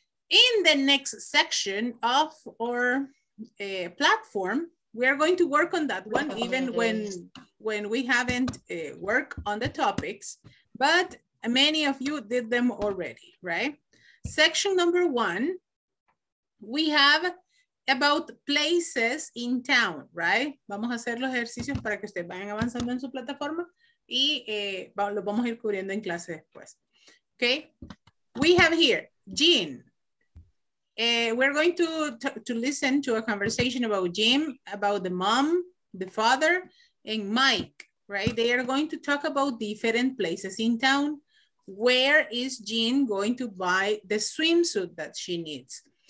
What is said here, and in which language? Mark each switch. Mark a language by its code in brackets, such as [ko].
[en] In the next section of our platform, we are going to work on that one, even when we haven't worked on the topics, but many of you did them already, right? Section number 1, we have about places in town, right? [es] Vamos a hacer los ejercicios para que ustedes vayan avanzando en su plataforma y los vamos a ir cubriendo en clase después. [en] Okay, we have here, Jean. We're going to listen to a conversation about Jim, about the mom, the father, and Mike, right? They are going to talk about different places in town. Where is Jean going to buy the swimsuit that she needs?